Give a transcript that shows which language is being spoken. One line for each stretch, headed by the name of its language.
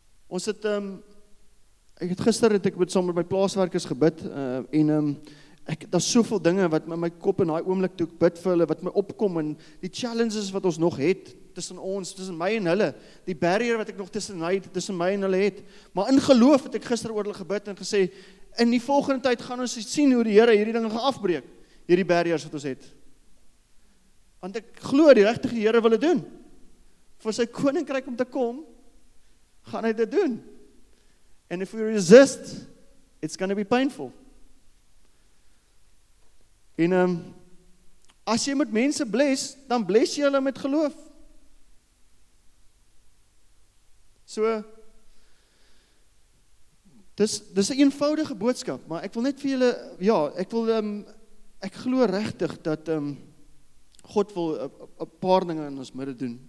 Afrikaans: Ons het, gister het ek saam met my plaaswerkers gebid, en daar is soveel dinge wat my kop in die oomblik toe bid vir hulle, wat my opkom, en die challenges wat ons nog het, tussen ons, tussen my en hulle, die barrier wat ek nog tussen my en hulle het, maar in geloof het ek gister oor hulle gebid en gesê, in die volgende tyd gaan ons sien hoe die Here hierdie dinge gaan afbreek, hierdie barriers wat ons het. Want ek glo die regte Here wil dit doen. Voor sy koninkryk om te kom, gaan hy dit doen.
English: And if we resist, it's going to be painful.
Afrikaans: En as jy met mense bless, dan bless jy hulle met geloof. So, dis 'n eenvoudige boodskap, maar ek wil net vir julle, ja, ek wil, ek glo regtig dat God wil a paar dinge in ons midde doen.